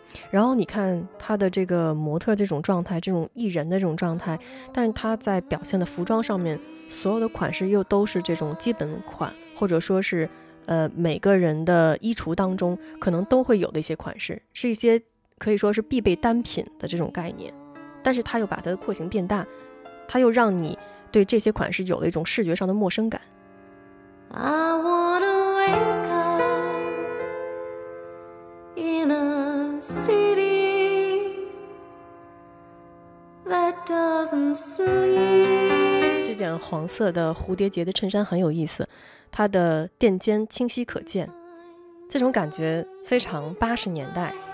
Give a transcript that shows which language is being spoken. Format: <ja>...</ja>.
<zh>然后你看他的这个模特这种状态，这种异人的这种状态，但他在表现的服装上面所有的款式又都是这种基本款，或者说是每个人的衣橱当中可能都会有的一些款式，是一些可以说是必备单品的这种概念，但是他又把它的廓形变大，他又让你对这些款式有了一种视觉上的陌生感。</zh> <en>I wanna wake up in a city that doesn't sleep。</en> <zh>这件黄色的蝴蝶结的衬衫很有意思，它的垫肩清晰可见，这种感觉非常80年代。</zh>